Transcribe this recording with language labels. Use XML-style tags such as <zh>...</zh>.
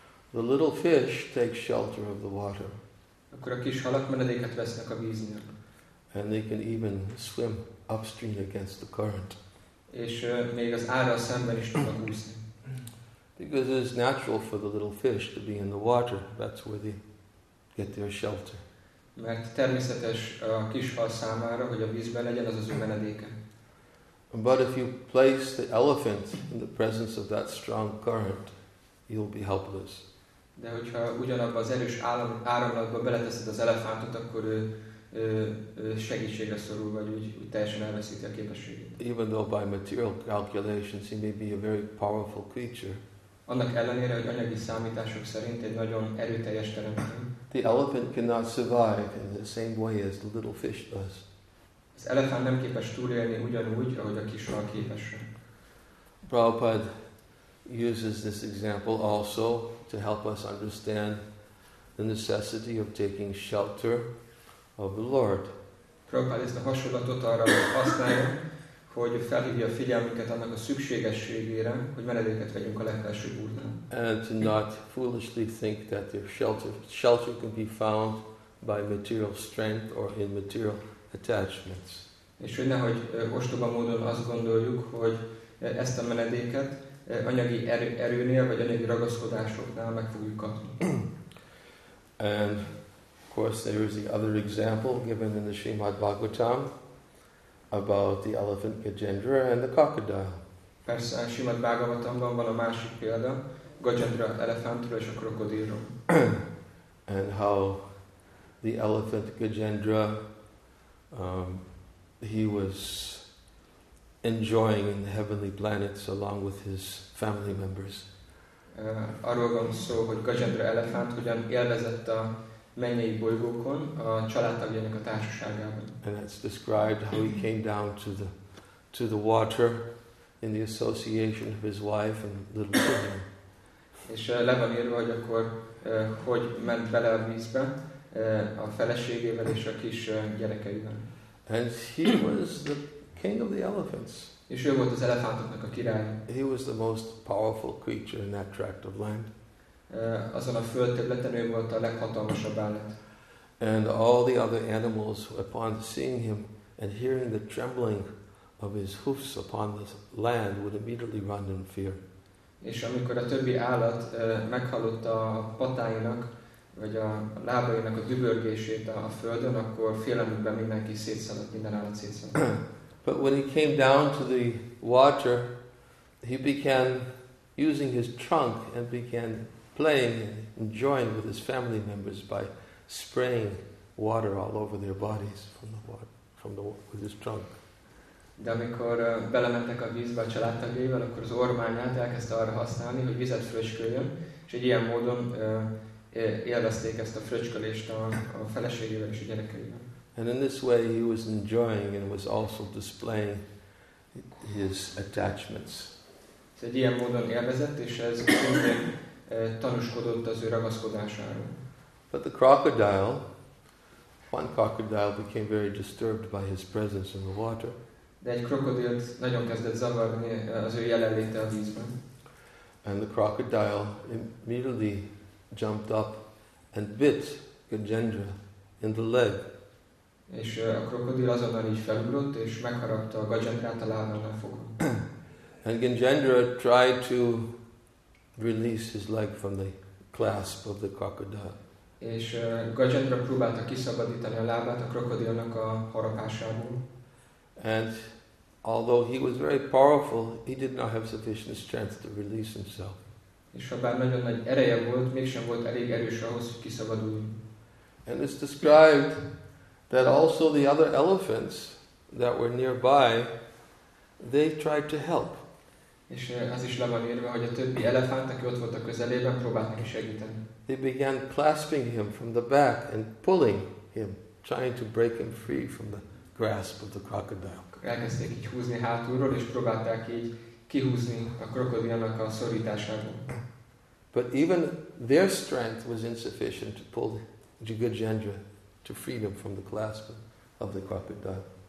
<en>The little fish take shelter of the water.</en> <hu>Akkor a kis halak menedéket vesznek a víznél.</hu> <en>And they can even swim upstream against the current.</en> <hu>És még az árral szemben is tudnak úszni.</hu> <en>Because it's natural for the little fish to be in the water. That's where they get their shelter.</en> <hu>Mert természetes a kis hal számára, hogy a vízben legyen, az az ő menedéke.</hu> <en>But if you place the elephant in the presence of that strong current, you'll be helpless.</en> <hu>De hogyha ugyanabban az erős áramlatban beleteszed az elefántot, akkor segítségre szorul, vagy úgy teljesen elveszíti a képességét.</hu> <en>Even though by material calculations he may be a very powerful creature,</en> <hu>annak ellenére, hogy anyagi számítások szerint egy nagyon erőteljes teremtő,</hu> <en>the elephant cannot survive in the same way as the little fish does.</en> <hu>Az elefánt nem képes túlélni ugyanúgy, ahogy a kis hal képes.</hu> <en>Prabhupada uses this example also to help us understand the necessity of taking shelter of the Lord.</en> <hu>Prabhupada ezt a hasonlatot arra használja, hogy felhívja a figyelmünket annak a szükségességére, hogy menedéket vegyünk a legfelsőbb Úrnál.</hu> <en>And to not foolishly think that the shelter can be found by material strength or in material attachments.</en> <hu>És hogy nehogy ostoba módon azt gondoljuk, hogy ezt a menedéket anyagi erőnél vagy anyagi ragaszkodásoknál meg fogjuk kapni.</hu> <en>And of course there is the other example given in the Srimad Bhagavatam about the elephant Gajendra and the crocodile.</en> <hu>Persze a Srimad Bhagavatamban van a másik példa, Gajendra elefántról és a krokodilról.</hu> <en>And how the elephant Gajendra he was enjoying in the heavenly planets along with his family members.</en> <hu>Arról van szó, hogy Gajendra elefánt hogyan élvezett a mennyei bolygókon a családtagjainak a társaságában.</hu> <en>And it's described how he came down to the water in the association of his wife and little children.</en> <hu>És le van írva, hogy akkor hogy ment bele a vízbe a feleségével és a kis gyerekeivel.</hu> <en>And he was the king of the elephants.</en> <hu>És ő volt az elefántoknak a király.</hu> <en>He was the most powerful creature in that tract of land.</en> <hu>Azon a földterületen ő volt a leghatalmasabb állat.</hu> <en>And all the other animals, upon seeing him and hearing the trembling of his hoofs upon the land, would immediately run in fear.</en> <hu>És amikor a többi állat meghallott a patáinak vagy a lábainak a dübörgését a földön, akkor félelmükben mindenki szétszaladt, minden állat szétszaladt.</hu> <en>But when he came down to the water, he began using his trunk and began playing and enjoying with his family members by spraying water all over their bodies with his trunk.</en> <hu>De amikor belementek a vízbe a családtagjaival, akkor az ormányát elkezdte arra használni, hogy vizet fröcsköljön, és egy ilyen módon élvezték ezt a fröcskölést a feleségével és a gyerekeivel.</hu> <en>And in this way he was enjoying and was also displaying his attachments.</en> <hu>Ez egy ilyen módon élvezett, és ez szintén tanúskodott az ő ragaszkodásáról.</hu> <en>But the crocodile, one crocodile became very disturbed by his presence in the water.</en> <hu>De egy krokodilt nagyon kezdett zavarni az ő jelenléte a vízben.</hu> <en>And the crocodile immediately jumped up and bit Gajendra in the leg.</en> <hu>És a krokodil azonnal így felugrott és megharapta a Gajendrát a lábánál fogva.</hu> <en>And Gajendra tried to release his leg from the clasp of the crocodile.</en> <hu>És Gajendra próbálta kiszabadítani a lábát a krokodilnak a harapásából.</hu> <en>And although he was very powerful, he did not have sufficient strength to release himself.</en> <hu>És habár nagyon nagy ereje volt, mégsem volt elég erős ahhoz, hogy kiszabaduljon.</hu> <en>And it's described that also the other elephants that were nearby, they tried to help.</en> <hu>És az is le van írva, hogy a többi elefánt, aki ott volt a közelében, próbálták segíteni.</hu> <en>They began clasping him from the back and pulling him, trying to break him free from the grasp of the crocodile.</en> <hu>Elkezdték így húzni hátulról, és próbálták így kihúzni a krokodilnak a szorításából.</hu> <en>But even their strength was insufficient to pull Jigajendra to freedom from the clasp of the crocodile.</en>